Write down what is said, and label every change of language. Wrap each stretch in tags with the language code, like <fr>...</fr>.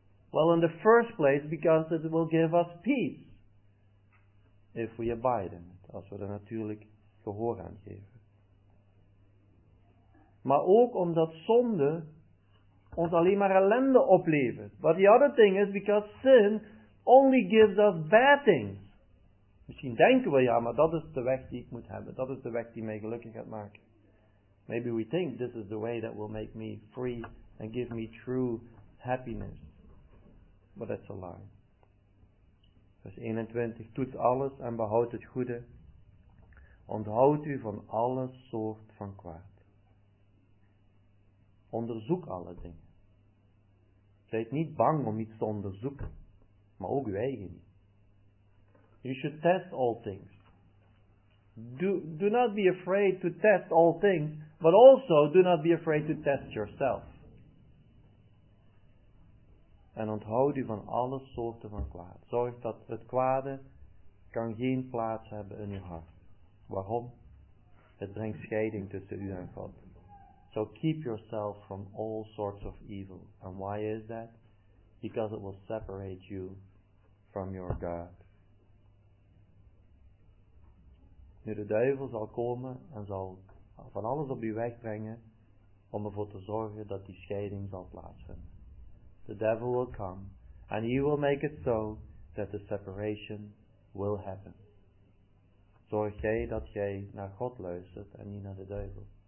<en>Well, in the first place, because it will give us peace. If we abide in it,</en> <nl>als we er natuurlijk gehoor aan geven. Maar ook omdat zonde ons alleen maar ellende oplevert.</nl> <en>But the other thing is, because sin only gives us bad things.</en> <nl>Misschien denken we, ja, maar dat is de weg die ik moet hebben. Dat is de weg die mij gelukkig gaat maken.</nl> <en>Maybe we think this is the way that will make me free and give me true happiness. But that's a lie.</en> <nl>Vers 21. Toets alles en behoud het goede. Onthoud u van alle soort van kwaad. Onderzoek alle dingen. Zijt niet bang om iets te onderzoeken. Maar ook uw eigen niet.</nl> <en>You should test all things. Do not be afraid to test all things. But also do not be afraid to test yourself.</en> <nl>En onthoud u van alle soorten van kwaad. Zorg dat het kwade kan geen plaats hebben in uw hart. Waarom? Het brengt scheiding tussen u en God.</nl> <en>So keep yourself from all sorts of evil. And why is that? Because it will separate you from your God.</en> <nl>Nu, de duivel zal komen en zal van alles op uw weg brengen om ervoor te zorgen dat die scheiding zal plaatsvinden.</nl> <en>The devil will come and he will make it so that the separation will happen.</en> <nl>Zorg jij dat jij naar God luistert en niet naar de duivel.</nl>